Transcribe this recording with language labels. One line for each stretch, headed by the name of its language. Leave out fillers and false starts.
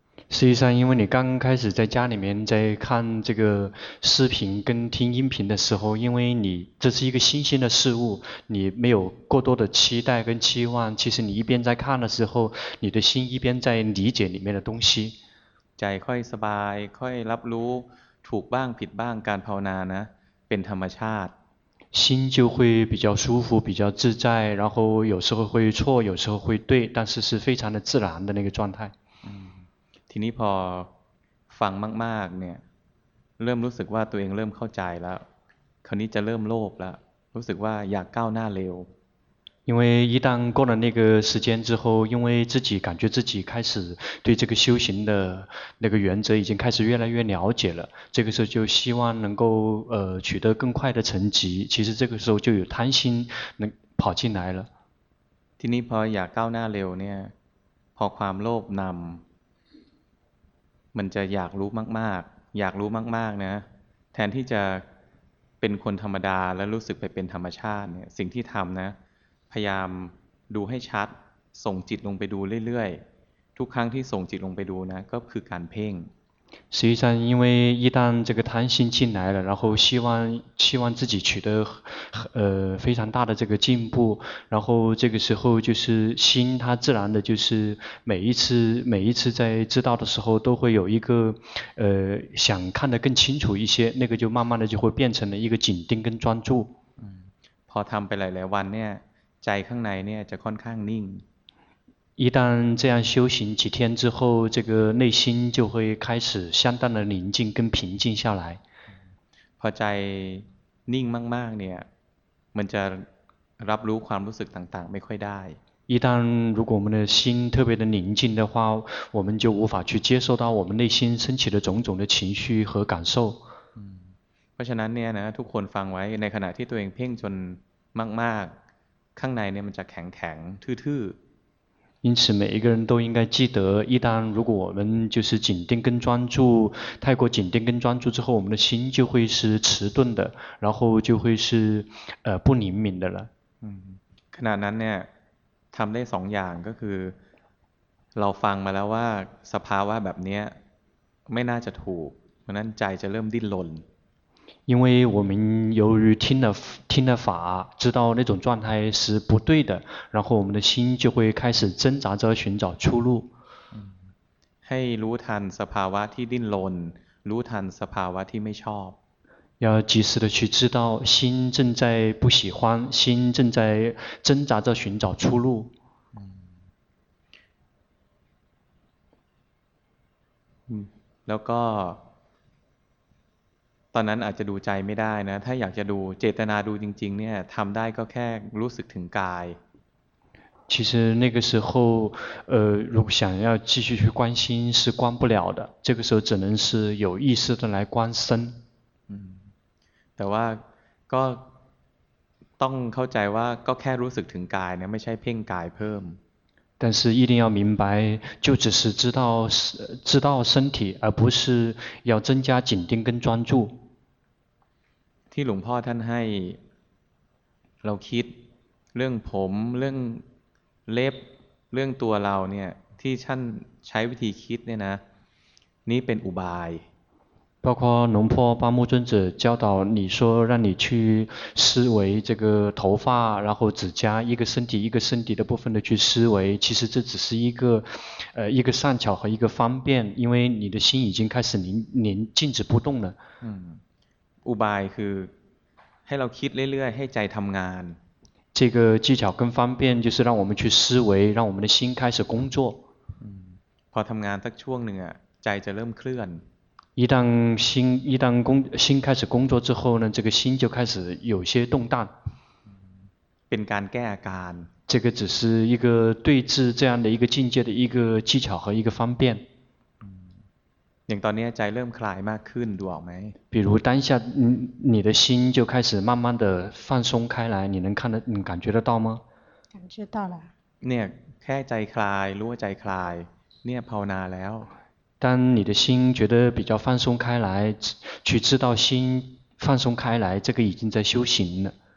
Chinese: 实际上因为你刚开始在家里面在看这个视频跟听音频的时候因为你这是一个新鲜的事物你没有过多的期待跟期望其实你一边在看的时候你的心一边在理解里面的东西
Thai: ใจค่อยสบายค่อยรับรู้ถูกบ้างผิดบ้างการภาวนานะเป็นธรรมชาติ
Chinese: 心就会比较舒服比较自在然后有时候会错有时候会对但是是非常的自然的那个状态
Thai: ทีนี้พอฟังมากๆเนี่ยเริ่มรู้สึกว่าตัวเองเริ่มเข้าใจแล้วคราวนี้จะเริ่มโลภแล้วรู้สึกว่าอยากก้าวหน้าเร็ว
Chinese: 因为一旦过了那个时间之后因为自己感觉自己开始对这个修行的那个原则已经开始越来越了解了这个时候就希望能够取得更快的成绩其实这个时候就有贪心能跑进来了
Thai: ที่นี้พออยากก้าวหน้าเร็วเนี่ยพอความโลภนำมันจะอยากรู้มากๆอยากรู้มากๆนะแทนที่จะเป็นคนธรรมดาและรู้สึกไปเป็นธรรมชาติเนี่ยสิ่งที่ทำนะพยายามดูให้ชัดส่งจิตลงไปดูเรื่อยๆทุกครั้งที่ส่งจิตลงไปดูนะก็คือการเพ่ง
Chinese: 实际上因为一旦这个贪心进来了然后希望自己取得非常大的这个进步然后这个时候就是心它自然的就是每一次在知道的时候都会有一个想看得更清楚一些那个就慢慢的就会变成了一个紧盯跟专注
Thai: พอทำไปหลายๆวันเนี่ยใจข้างในเนี่ยจะค่อนข้างนิ่ง
Chinese: 一旦这样修行几天之后这个内心就会开始相当的宁静跟平静下来
Thai: พอใจนิ่งมากๆเนี่ยมันจะรับรู้ความรู้สึกต่างๆไม่ค่อยได้
Chinese: 一旦如果我们的心特别的宁静的话我们就无法去接受到我们内心升起的种种的情绪和感受
Thai: เพราะฉะนั้นเนี่ยนะทุกคนฟังไว้ในขณะที่ตัวเองเพ่งจนมากๆข้างในเนี่ยมันจะแข็งๆทื่อ
Chinese: ๆ因此每一个人都应该记得一旦如果我们就是紧盯跟专注太过紧盯跟专注之后我们的心就会是迟钝的然后就会是不灵敏的了
Thai: ขณะนั้นเนี่ยทำได้สองอย่างก็คือเราฟังมาแล้วว่าสภาวะแบบนี้ไม่น่าจะถูกเพราะนั้นใจจะเริ่มดิ้นรน
Chinese: 因为我们由于听了法知道那种状态是不对的然后我们的心就会开始挣扎着寻找出路
Thai: ให้รู้ทันสภาวะที่ดิ้นรนรู้ทันสภาวะที่ไม่ชอบ
Chinese: 要及时的去知道心正在不喜欢心正在挣扎着寻找出路
Thai: แล้วก็ตอนนั้นอาจจะดูใจไม่ได้นะถ้าอยากจะดูเจตนาดูจริงๆเนี่ยทำได้ก็แค่รู้สึกถึงกาย
Chinese: 其实那个时候如果想要继续去关心是关不了的这个时候只能是有意识的来观身
Thai: แต่ว่าก็ต้องเข้าใจว่าก็แค่รู้สึกถึงกายนะไม่ใช่เพ่งกายเพิ่ม
Chinese: 但是一定要明白就只是知道身体而不是要增加紧盯跟专注
Thai: ที่หลวงพ่อท่านให้เราคิดเรื่องผมเรื่องเล็บเรื่องตัวเราเนี่ยที่ท่านใช้วิธีคิดเนี่ยนะนี้เป็นอุบาย
Chinese: 包括农坡巴木尊者教导你说让你去思维这个头发然后指甲一个身体一个身体的部分的去思维，其实这只是一个善巧和一个方便，因为你的心已经开始您静止不动了。
Thai: อุบายคือให้เราคิดเรื่อยๆให้ใจทำงาน
Chinese: 这个技巧跟方便就是让我们去思维，让我们的心开始工作。
Thai: พอทำงานสักช่วงหนึ่งใจจะเริ่มเคลื่อน
Chinese: 一旦心开始工作之后呢，这个心就开始有些动荡。
Thai: เป็นการแก้อาการ
Chinese: 这个只是一个对治这样的一个境界的一个技巧和一个方便。
Thai: อย่างตอนนี้ใจเริ่มคลายมากขึ้นดูออกไหม
Chinese: 比如当下你的心就开始慢慢的放松开来，你能看得你感觉得到吗？感觉到了。
Thai: เนี่ยแค่ใจคลายรู้ว่าใจคลายเนี่ยภาวนาแล้ว
Chinese: 当你的心觉得比较放松开来，去知道心放松开来，这个已经在修行了。